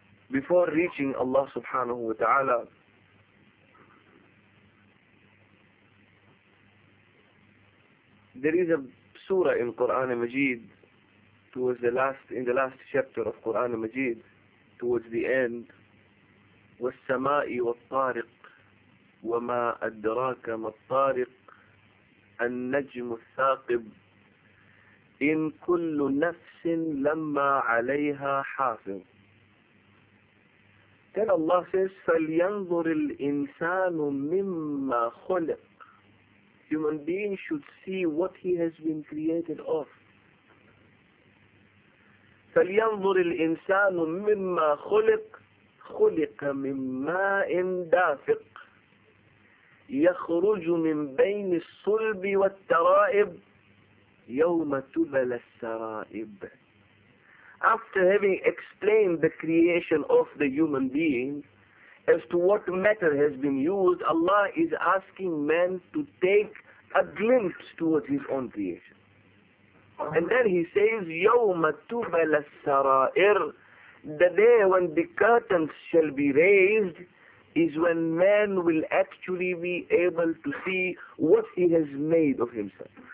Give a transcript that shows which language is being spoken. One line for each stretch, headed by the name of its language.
English: Before reaching Allah subhanahu wa ta'ala, there is a surah in Quran al-Majid towards the last, in the last chapter of Quran al-Majid towards the end,
Arabic: وَالسَّمَاءِ وَالطَّارِقِ وَمَا أَدْرَاكَ مَا الطَّارِقِ النجم الثاقب إن كل نفس لما عليها حافظ.
English: Then Allah says,
Arabic: فلينظر الإنسان مما خلق.
English: Human being should see what he has been created of.
Arabic: فلينظر الإنسان مما خلق خلق من ماء دافق يخرج من بين الصلب والترائب يوم تبلى السرائب.
English: After having explained the creation of the human being as to what matter has been used, Allah is asking man to take a glimpse towards his own creation. And then he says,
Arabic: يوم تبلى السرائر,
English: the day when the curtains shall be raised is when man will actually be able to see what he has made of himself.